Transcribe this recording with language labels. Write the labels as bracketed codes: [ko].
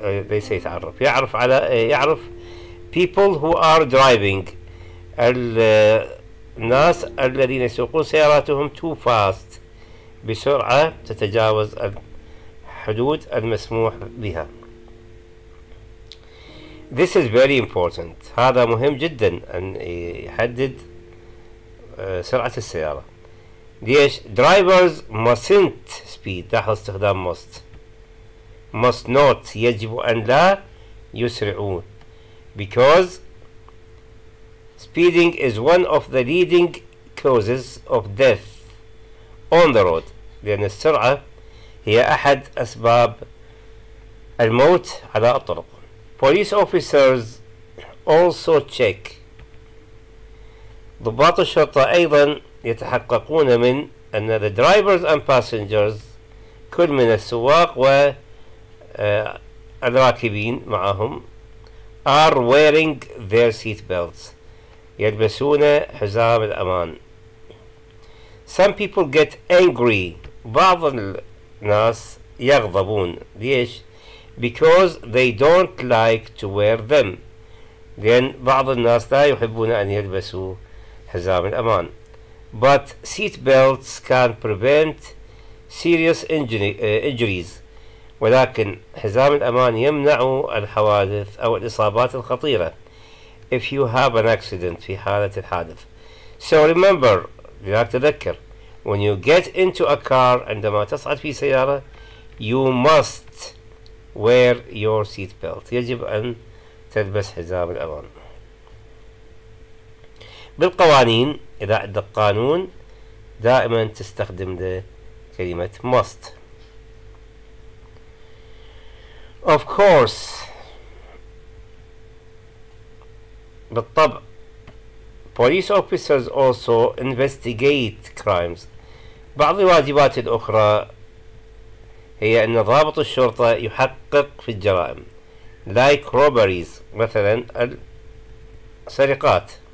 [ar] ليس يتعرف يعرف على يعرف [en] people who are driving [ar] الناس الذين يسوقون سياراتهم [en] too fast [ar] بسرعة تتجاوز الحدود المسموح بها. [en] This is very important. [ar] هذا مهم جدا أن يحدد سرعة السيارة. ليش؟ [en] Drivers mustn't speed. [ar] لاحظ استخدام must. [en] Must not. [ar] يجب أن لا يسرعون. [en] Because speeding is one of the leading causes of death on the road. [ar] لأن السرعة هي أحد أسباب الموت على الطرق. [en] Police officers also check. [ar] ضباط الشرطة أيضا يتحققون من أن [en] the drivers and passengers [ar] كل من السواق والراكبين معهم [en] are wearing their seat belts. [ar] يلبسون حزام الأمان. [en] Some people get angry. [ar] بعض الناس يغضبون. ليش؟ [en] Because they don't like to wear them. [ar] لأن بعض الناس لا يحبون أن يلبسوا حزام الأمان. [en] But seat belts can prevent serious injuries. [ar] ولكن حزام الأمان يمنع الحوادث أو الإصابات الخطيرة. [en] If you have an accident [ar] في حالة الحادث. [en] So remember, [ar] لذلك تذكر, [en] when you get into a car [ar] عندما تصعد في سيارة, [en] you must wear your seat belt. [ar] يجب أن تلبس حزام الأمان. بالقوانين, إذا عند القانون, دائما تستخدم ده كلمة must. [en] Of course, [ar] بالطبع [en] police officers also investigate crimes [ar] بعض الواجبات الأخرى هي أن ضابط الشرطة يحقق في الجرائم [en] like robberies [ar] مثلا السرقات